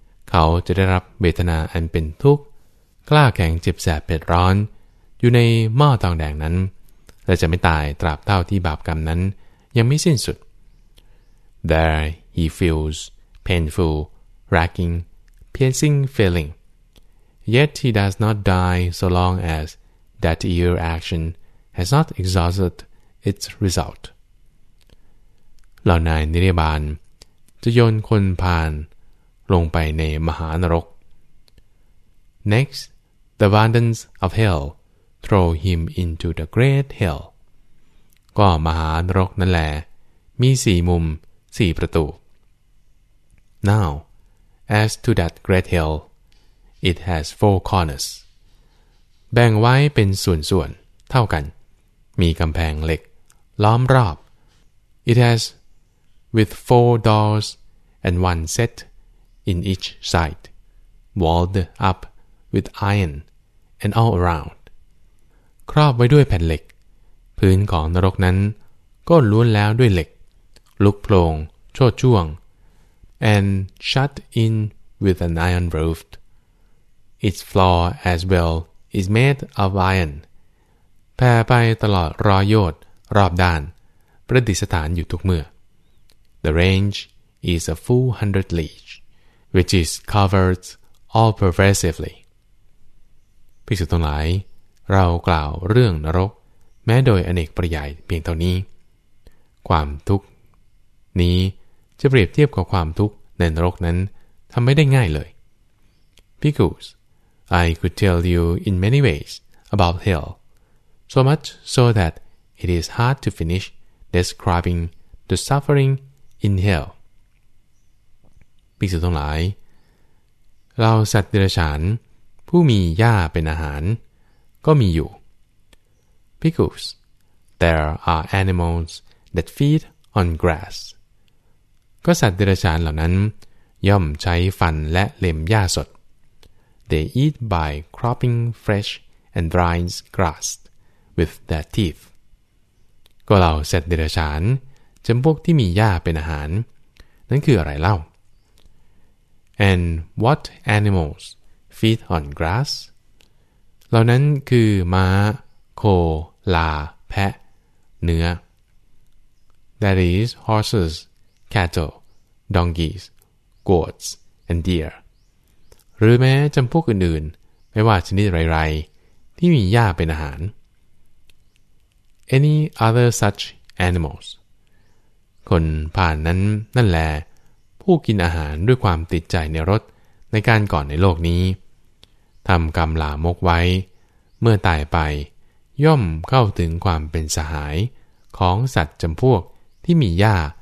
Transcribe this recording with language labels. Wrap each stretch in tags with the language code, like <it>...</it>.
<th>เขาจะได้รับเวทนาอันเป็นทุกข์กล้าแข็งเจ็บแสบเผ็ดร้อนอยู่ในหม้อทองแดงนั้นและจะไม่ตายตราบเท่าที่บาปกรรมนั้นยังไม่สิ้นสุด</th> <en>There he feels painful, racking, piercing feeling. Yet he does not die so long as that evil action has not exhausted its result.</en> <th>เหล่านายนิรยาบาลจะโยนคนผ่านลงไปในมหานรก</th> <en>Next, the vandals of hellthrow him into the great hell.</en> <th>ก็มหานรกนั่นแหละมีสี่มุมสี่ประตู</th> <en>Now, as to that great hell, it has four corners.</en> <th>แบ่งไว้เป็นส่วนๆเท่ากันมีกำแพงเหล็กล้อมรอบ</th> <en>It has with four doors and one set in each side, walled up with iron and all around</en> <th>ครอบไว้ด้วยแผ่นเหล็กพื้นของนรกนั้นก็ล้วนแล้วด้วยเหล็กลุกโผล่งโชติช่วง</th> <en>and shut in with an iron roof its floor as well is made of iron</en> <th>แผ่ไปตลอดร้อยโยชน์รอบด้านประดิษฐานอยู่ทุกเมื่อ</th> <en>the range is a full 100 leagues which is covered all pervasively</en> <th>ภิกษุทั้งหลายเรากล่าวเรื่องนรกแม้โดยอเนกประยายเพียงเท่านี้ความทุกข์นี้จะเปรียบเทียบกับความทุกข์ในนรกนั้นทำไม่ได้ง่ายเลย</th> <en>Because I could tell you in many ways about hell, so much so that it is hard to finish describing the suffering in hell.</en> <th>ภิกษุทั้งหลายเราสัตว์เดรัจฉานผู้มีหญ้าเป็นอาหารก็มีอยู่</th> <en>Because there are animals that feed on grass.</en> <th>ก็สัตว์เดรัจฉานเหล่านั้นย่อมใช้ฟันและเล็มหญ้าสด</th> <en>They eat by cropping fresh and dry grass with their teeth.</en> <th>ก็เหล่าสัตว์เดรัจฉานจำพวกที่มีหญ้าเป็นอาหารนั้นคืออะไรเล่า</th> <en>And what animals feed on grass?</en> <th>เหล่านั้นคือม้าโคลาแพะเนื้อ</th> <en>That is horses, cattle, donkeys, goats, and deer.</en> <th>หรือแม้จำพวกอื่นๆไม่ว่าชนิดไรๆที่มีหญ้าเป็นอาหาร</th> <en>Any other such animals?</en> <th>คนผ่านนั้นนั่นแลผู้กินอาหารด้วยความติดใจในรสในการก่อนในโลกนี้ทำกรรมลามกไว้เมื่อตายไปย่อมเข้าถึงความเป็นสหายของสัตว์จำพวกที่มีหญ้า</th>